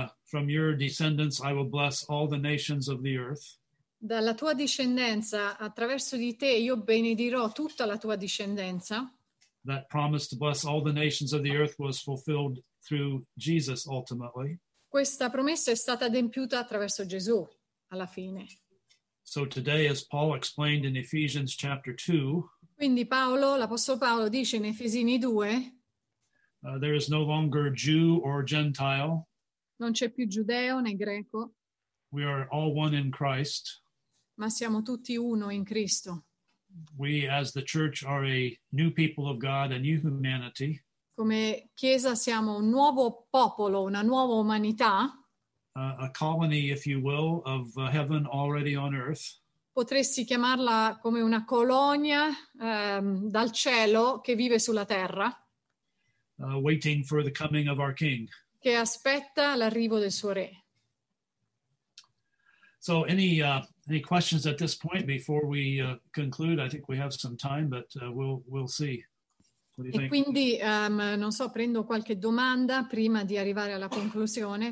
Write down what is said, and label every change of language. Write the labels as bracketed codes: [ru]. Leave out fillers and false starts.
[en] From your descendants I will bless all the nations of the earth. [it] Dalla tua discendenza, attraverso di te, io benedirò tutta la tua discendenza. [en] That promise to bless all the nations of the earth was fulfilled through Jesus ultimately. [it] Questa promessa è stata adempiuta attraverso Gesù alla fine. [en] So today, as Paul explained in Ephesians chapter 2, [it] quindi Paolo, l'apostolo Paolo dice in Efesini 2, [en] there is no longer Jew or Gentile. [it] Non c'è più giudeo né greco. [en] We are all one in Christ. [it] Ma siamo tutti uno in Cristo. [en] We as the church are a new people of God, a new humanity. [it] Come chiesa siamo un nuovo popolo, una nuova umanità. [en] A colony, if you will, of heaven already on earth. [it] Potresti chiamarla come una colonia dal cielo che vive sulla terra. [en] Waiting for the coming of our king. [it] Che aspetta l'arrivo del suo re. [en] So any questions at this point before we conclude? I think we have some time, but we'll see. What do you [it] Quindi non so, prendo qualche domanda prima di arrivare alla conclusione.